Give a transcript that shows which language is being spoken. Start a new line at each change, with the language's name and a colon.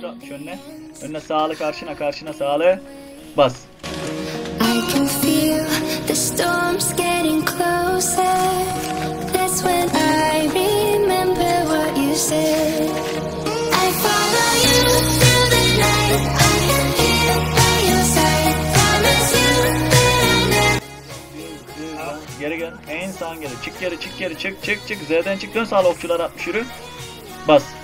Turkish: Önüne, önüne sağlı, karşına, karşına sağlı, bas.
English: I can feel the storms getting closer. That's when I remember what you said. I follow you through the night. I can feel by your side. Promise you that I never.
Turkish: Geri gel, en sağ geri, çık geri, çık geri, çık çık çık, Z'den çık, dön sağlı, okçulara atmış yürü, bas.